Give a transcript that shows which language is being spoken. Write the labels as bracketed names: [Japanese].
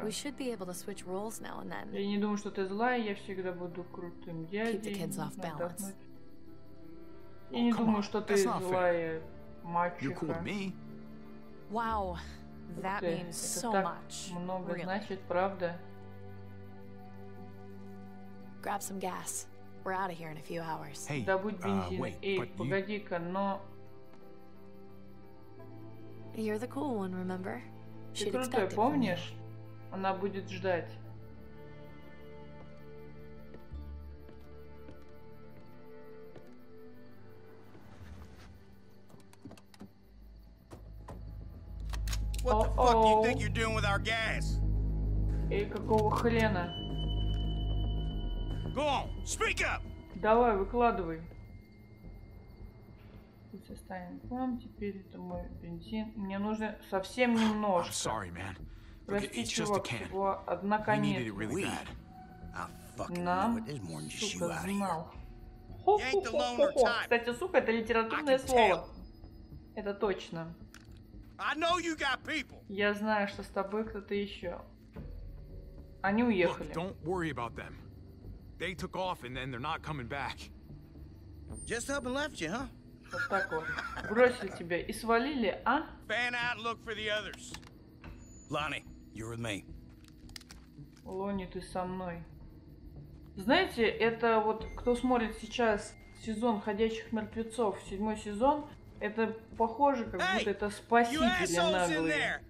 [Russian] Я не думаю, что ты злая, я всегда буду крутым дядей. Я не думаю, что ты злая мачеха. Вау, это так много значит, правда? [English] Grab some gas. We're out of here in a few hours. [Russian] Hey, добудь бензин. Эй, погоди-ка, но... [English] You're the cool one, remember? [Russian] Ты крутой, помнишь? Она будет ждать. [English] What the fuck do you think you're doing with our gas? [Russian] Эй, какого хрена? [English] Go on, speak up. [Russian] Давай, выкладывай. Тут состояние плом, теперь это мой бензин. Мне нужно совсем немножко. [English] I'm sorry, man. [Russian] Прости, чувак, всего одна конец. [English] Really [Russian] нам, сука, знал. Хо-хо-хо-хо-хо. Кстати, сука, это литературное слово. Это точно. Я знаю, что с тобой кто-то еще. Они уехали. [English] Look, don't worry about them. They took off and then they're not coming back. Just up and left you, huh? [Russian] Вот так вот. Бросили тебя и свалили, а? [English] Fan out, look for the others. Lonnie, you're with me. [Russian] Лонни, ты со мной. Знаете, это вот, кто смотрит сейчас сезон «Ходячих мертвецов», седьмой сезон, это похоже, как будто это спасители наглые.